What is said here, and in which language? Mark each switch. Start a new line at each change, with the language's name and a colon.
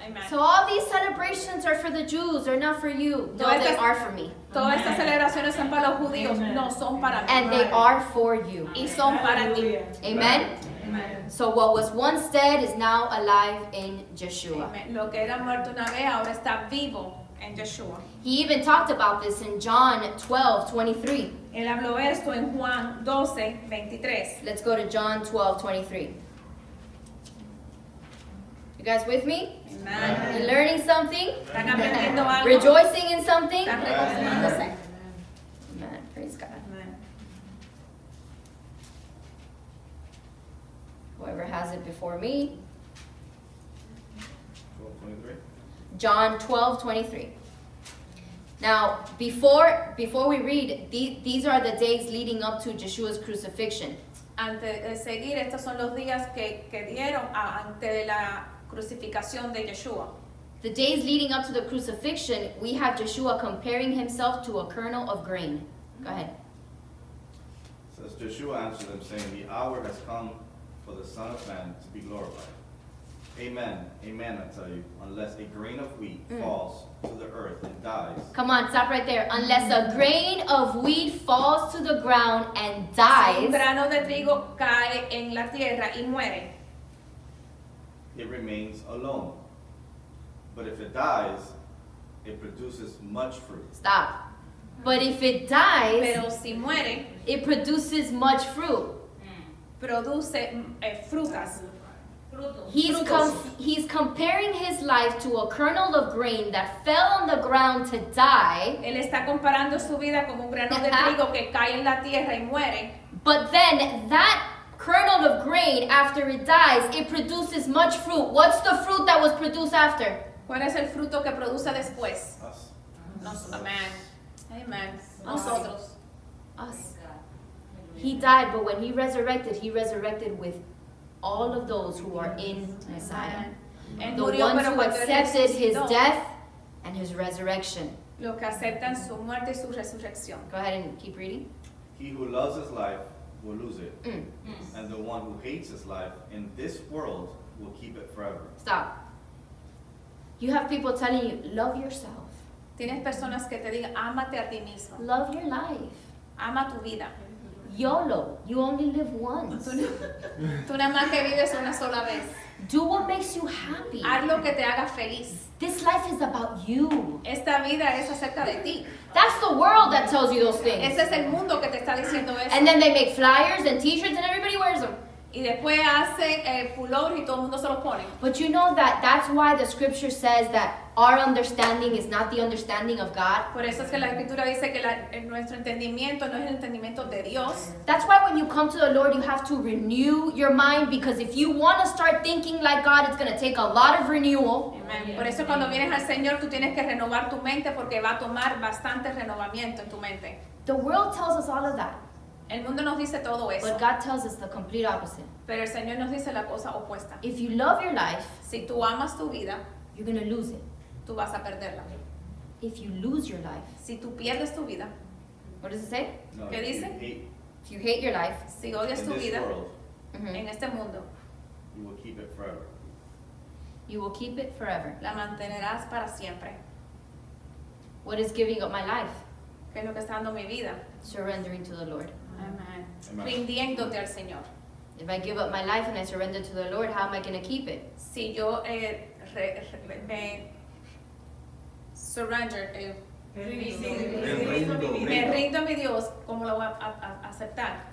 English: So all these celebrations are for the Jews, they're not for you. No, they are for me.
Spanish: Todas estas celebraciones son para los judíos, no son para mí.
English: And they are for you.
Spanish: Y son para ti.
English: Amen? So what was once dead is now alive in Yeshua.
Spanish: Lo que era muerto una vez ahora está vivo en Yeshua.
English: He even talked about this in John 12:23.
Spanish: Él habló esto en Juan 12:23.
English: Let's go to John 12:23. You guys with me? Amen. You're learning something?
Spanish: ¿Están aprendiendo algo?
English: Rejoicing in something?
Spanish: ¿Están reconciliándose? Amen.
English: Praise God. Amen. Whoever has it before me. 12:23. John 12:23. Now, before we read, these are the days leading up to Yeshua's crucifixion.
Spanish: Antes de seguir, estos son los días que dieron ante la crucificación de Yeshua.
English: The days leading up to the crucifixion, we have Yeshua comparing himself to a kernel of grain. Go ahead. Says Yeshua answered them, saying, "The hour has come for the Son of Man to be glorified. Amen, amen, I tell you, unless a grain of wheat falls to the earth and dies." Come on, stop right there. Unless a grain of wheat falls to the ground and dies.
Spanish: Un grano de trigo cae en la tierra y muere.
English: It remains alone. But if it dies, it produces much fruit. Stop. But if it dies,
Spanish: pero si muere,
English: it produces much fruit.
Spanish: Produce frutas.
English: He's comparing his life to a kernel of grain that fell on the ground to die.
Spanish: Él está comparando su vida con un grano de trigo que cae en la tierra y muere.
English: But then that kernel of grain, after it dies, it produces much fruit. What's the fruit that was produced after?
Spanish: ¿Cuál es el fruto que produce después?
English: Us.
Spanish: Amen. Amen. Nosotros.
English: Us. He died, but when he resurrected with all of those who are in Messiah. Amen. The
Spanish: murió,
English: ones who accepted his death and his resurrection.
Spanish: Los que aceptan su muerte y su resurrección.
English: Go ahead and keep reading. He who loves his life will lose it. And the one who hates his life in this world will keep it forever. Stop. You have people telling you, love yourself.
Spanish: Tienes personas que te digan, ámate a ti mismo.
English: Love your life.
Spanish: Ama tu vida.
English: YOLO, you only live once.
Spanish: Tú nada más que vives una sola vez.
English: Do what makes you happy.
Spanish: Haz lo que te haga feliz.
English: This life is about you.
Spanish: Esta vida es acerca de ti.
English: That's the world that tells you those things.
Spanish: Ese es el mundo que te está diciendo eso.
English: And then they make flyers and t-shirts and everybody wears them.
Spanish: Y después hace pullover y todo el mundo se los pone.
English: But you know that's why the scripture says that our understanding is not the understanding of God.
Spanish: Por eso es que la escritura dice que nuestro entendimiento no es el entendimiento de Dios.
English: That's why when you come to the Lord, you have to renew your mind, because if you want to start thinking like God, it's going to take a lot of renewal. Amen.
Spanish: Por eso cuando vienes al Señor, tú tienes que renovar tu mente, porque va a tomar bastante renovamiento en tu mente.
English: The world tells us all of that.
Spanish: El mundo nos dice todo eso.
English: But God tells us the complete opposite.
Spanish: Pero el Señor nos dice la cosa opuesta.
English: If you love your life,
Spanish: si tú amas tu vida,
English: you're going to lose it.
Spanish: Tú vas a perderla.
English: If you lose your life,
Spanish: si tú pierdes tu vida,
English: what does it say?
Spanish: No, ¿qué dice?
English: If you hate your life,
Spanish: si odias tu vida,
English: world,
Spanish: en este mundo,
English: you will keep it forever. You will keep it forever.
Spanish: La mantenerás para siempre.
English: What is giving up my life?
Spanish: ¿Qué es lo que está dando mi vida?
English: Surrendering to the Lord.
Spanish: Amen. Rindiéndote al Señor.
English: If I give up my life and I surrender to the Lord, how am I going to keep it?
Spanish: Si yo me
English: surrender,
Spanish: me rindo a mi Dios, ¿cómo lo voy a aceptar?